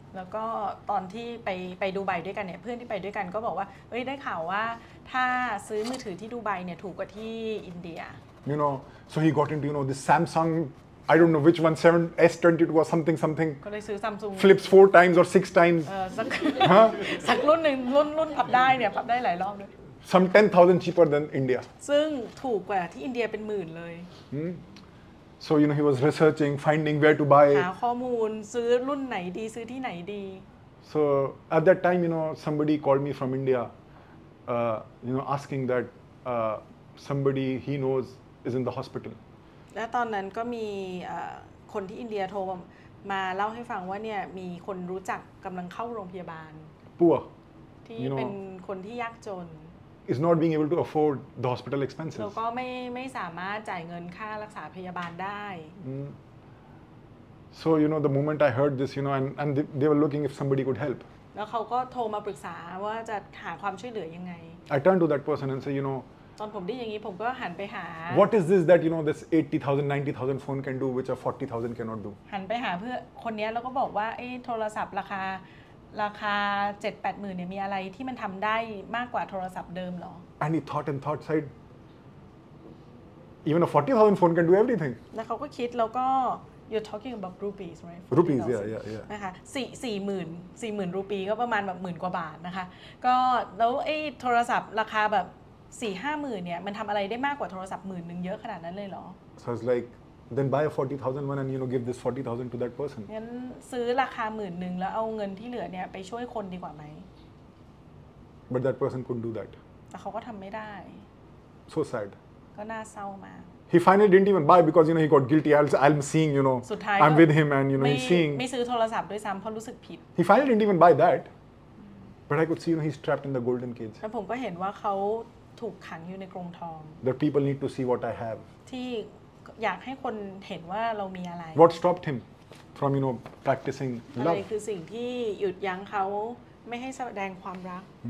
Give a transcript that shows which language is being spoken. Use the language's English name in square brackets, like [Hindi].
[Thai] แล้วก็ตอนที่ไปดูไบด้วยกันเนี่ยเพื่อนที่ไปด้วยกันก็บอกว่าเฮ้ยได้ข่าวว่าถ้าซื้อมือถือที่ดูไบเนี่ยถูกกว่าที่อินเดีย [English] you know so he got into you know this Samsung I don't know which one 7S22 or something [Thai] ก็เลยซื้อ Samsung [English] flips 4 times or 6 times [Thai] สักรุ่นนึงรุ่นปรับได้เนี่ยปรับได้หลายรอบเลย [English] some 10,000 cheaper than India [Thai] ซึ่งถูกกว่าที่อินเดียเป็นหมื่นเลย [English] so you know he was researching finding where to buy [Thai] หาข้อมูลซื้อรุ่นไหนดีซื้อที่ไหนดี [English] so at that time you know somebody called me from India you know asking that somebody he knows is in the hospital [Thai] และตอนนั้นก็มีคนที่อินเดียโทรมาเล่าให้ฟังว่าเนี่ยมีคนรู้จักกำลังเข้าโรงพยาบาล ปัว ที่ you know, เป็นคนที่ยากจน [English] Is not being able to afford the hospital expenses. [Thai] แล้วก็ไม่สามารถจ่ายเงินค่ารักษาพยาบาลได้ [English] So you know the moment I heard this, you know, and they were looking if somebody could help. [Thai] แล้วเขาก็โทรมาปรึกษาว่าจะหาความช่วยเหลือยังไง [English] I turned to that person and said, you know. [Thai] ตอนผมได้ยินอย่างนี้ผมก็หันไปหา [English] What is this that you know this 80,000, 90,000 phone can do which a 40,000 cannot do? [Thai] หันไปหาเพื่อคนนี้แล้วก็บอกว่าไอ้โทรศัพท์ราคา 7-80,000 เนี่ยมีอะไรที่มันทำได้มากกว่าโทรศัพท์เดิมหรอ [English] And he thought and thought said even a 40,000 phone can do everything [Thai] แล้วเขาก็คิดแล้วก็ [English] you're talking about rupees right rupees yeah [Thai] นะคะ40,000 รูปีก็ประมาณแบบหมื่นกว่าบาทนะคะก็แล้วไอ้โทรศัพท์ราคาแบบ 4-50,000 เนี่ยมันทำอะไรได้มากกว่าโทรศัพท์หมื่นนึงเยอะขนาดนั้นเลยหรอ [English] So it's likeThen buy a 40,000 one and you know give this 40,000 to that person. [Thai] งั้นซื้อราคา 10,000 แล้วเอาเงินที่เหลือเนี่ยไปช่วยคนดีกว่าไหม [English] But that person couldn't do that. [Thai] แต่เขาก็ทำไม่ได้ [English] So sad. [Thai] ก็น่าเศร้ามา [English] He finally didn't even buy because you know he got guilty. I'm seeing you know. [Thai] สุดท้าย [English] I'm with him and you know he's seeing. [Thai] ไม่ซื้อโทรศัพท์ด้วยซ้ำเพราะรู้สึกผิด [English] He finally didn't even buy that. But I could see you know he's trapped in the golden cage. [Thai] แล้วผมก็เห็นว่าเขาถูกขังอยู่ในกรงทอง [English] That people need to see what I have. [Thai] ที่อยากให้คนเห็นว่าเรามีอะไร [English] What stopped him from you know practicing love อ [Thai] ะไรคือสิ่งที่หยุดยั้งเขาไม่ให้แสดงความรัก